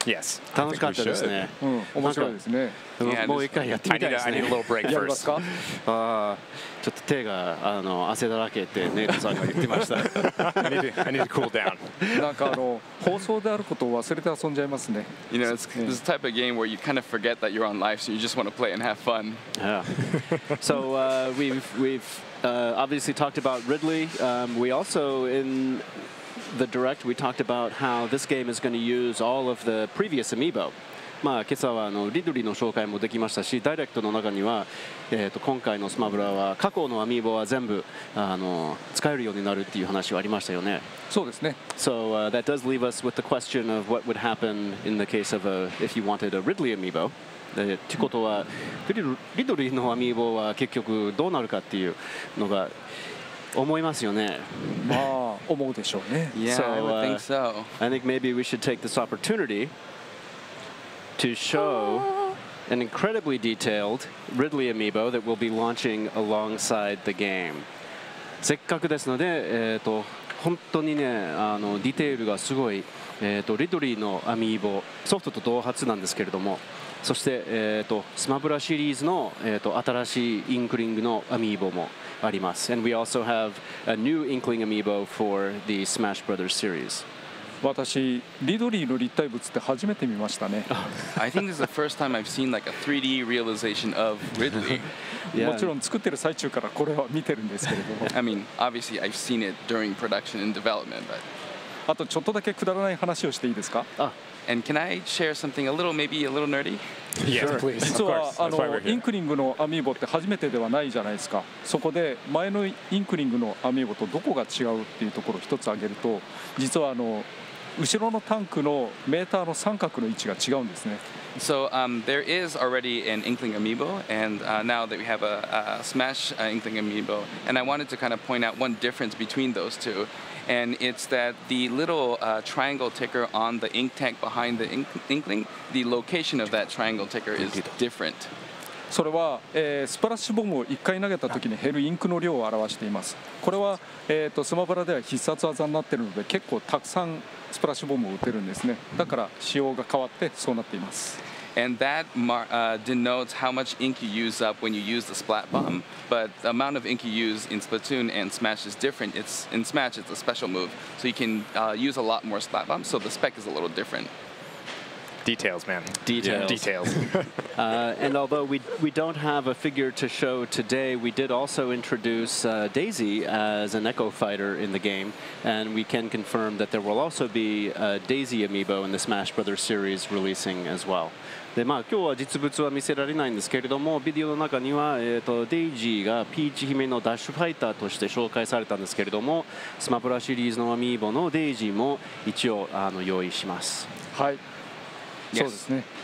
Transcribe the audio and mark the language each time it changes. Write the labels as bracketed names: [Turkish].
[English] Yes. [Japanese] 楽しかったですね。うん、面白いですね。もう一回やってみたいですね。 [English] I need a little break first. [Japanese] やりますか？ちょっと手が汗だらけってネイトさんが言ってました。 [English] I need to cool down. [Japanese] なんか放送であることを忘れて遊んじゃいますね。 [English] You know, it's the type of game where you kind of forget that you're on live, so you just want to play and have fun. Yeah. So we've obviously talked about Ridley. We also in the direct we talked about how this game is going to use all of the previous amiibo. [Japanese] まあ今朝はリドリーの紹介もできましたし、ダイレクトの中には今回のスマブラは過去のアミーボは全部使えるようになるっていう話はありましたよね。そうですね。 [English] So that does leave us with the question of what would happen in the case of if you wanted a Ridley amiibo. [Japanese] ということはリドリーのアミーボは結局どうなるかっていうのが思いますよね。まあ思うでしょうね。 [English] Yeah, so, I would think so. I think maybe we should take this opportunity to show an incredibly detailed Ridley amiibo that will be launching alongside the game. [Japanese] せっかくですので、本当にね、ディテールがすごい、リドリーのアミーボソフトと同発なんですけれども、そして、スマブラシリーズの、新しいインクリングのアミーボもあります。 [English] And we also have a new Inkling amiibo for the Smash Brothers series. [Japanese] 私、リドリーの立体物って初めて見ましたね。 [English] I think this is the first time I've seen like a 3D realization of Ridley. [Japanese] もちろん作ってる最中からこれは見てるんですけれども。 [English] I mean, obviously I've seen it during production and development, but... [Japanese] あとちょっとだけくだらない話をしていいですか？ [English] And can I share something a little, maybe a little nerdy? Yeah, sure. Please. [Japanese] 実はインクリングのアミーボって初めてではないじゃないですか。そこで前のインクリングのアミーボとどこが違うっていうところを一つ挙げると、実は後ろのタンクのメーターの三角の位置が違うんですね。 [English] So, there is already an Inkling amiibo, and now that we have a Smash Inkling amiibo, and I wanted to kind of point out one difference between those two, and it's that the little triangle ticker on the ink tank behind the Inkling, the location of that triangle ticker is different. [Japanese] それは、スプラッシュボムを1回投げた時に減るインクの量を表しています。これは、スマブラでは必殺技になっているので、結構たくさんスプラッシュボムを打てるんですね。だから仕様が変わってそうなっています。 [English] And that denotes how much ink you use up when you use the splat bomb. But the amount of ink you use in Splatoon and Smash is different. It's, in Smash, it's a special move. So you can use a lot more splat bombs. So the spec is a little different. Details, man. Details. Yeah, details. and although we don't have a figure to show today, we did also introduce Daisy as an Echo Fighter in the game. And we can confirm that there will also be a Daisy amiibo in the Smash Brothers series releasing as well. [Japanese] でまあ、今日は実物は見せられないんですけれども、ビデオの中には、デイジーがピーチ姫のダッシュファイターとして紹介されたんですけれども、スマブラシリーズのアミーボのデイジーも一応用意します。はい、そうですね。